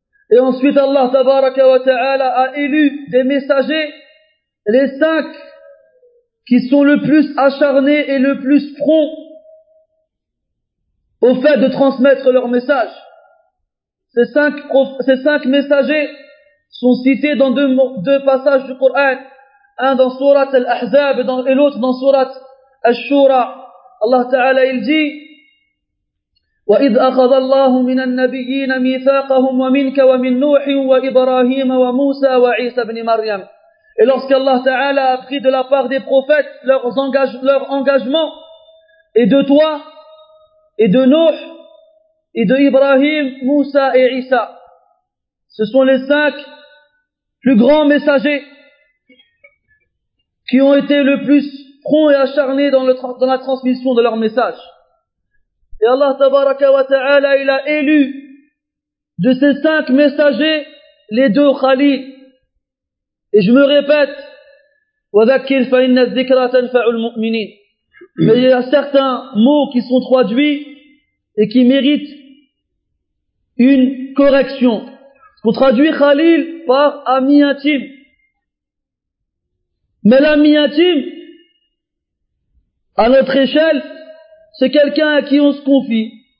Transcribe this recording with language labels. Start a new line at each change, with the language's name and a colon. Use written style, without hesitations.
French: Et ensuite Allah Tabaraka wa Ta'ala a élu des messagers, les cinq qui sont le plus acharnés et le plus prompts au fait de transmettre leur message. Ces cinq messagers sont cités dans deux passages du Coran, un dans Sourate Al-Ahzab et l'autre dans Sourate Al-Shura. Allah Ta'ala il dit:
Arabic: وَإِذْ أَخَذَ اللَّهُ مِنَ النَّبِيِّينَ مِيثَاقَهُمْ وَمِنْكَ وَمِنْ نُوحٍ وَإِبْرَاهِيمَ وَمُوسَى وَعِيسَى ابْنِ مَرْيَمَ.
French: Et lorsque Allah Ta'ala a pris de la part des prophètes leur engagement, et de toi, et de Nuh, et de Ibrahim, Moussa et Isa, ce sont les cinq plus grands messagers qui ont été le plus prompts et acharnés dans la transmission de leur message. Et Allah Tabaraka wa Ta'ala, il a élu de ces cinq messagers les deux Khalil. Et je me répète,
Arabic: وَذَكِّرْ فَإِنَّ الذِّكْرَ تَنْفَعُ الْمُؤْمِنِينَ.
French: Mais il y a certains mots qui sont traduits et qui méritent une correction. On traduit Khalil par ami intime. Mais l'ami intime, à notre échelle, c'est quelqu'un à qui on se confie.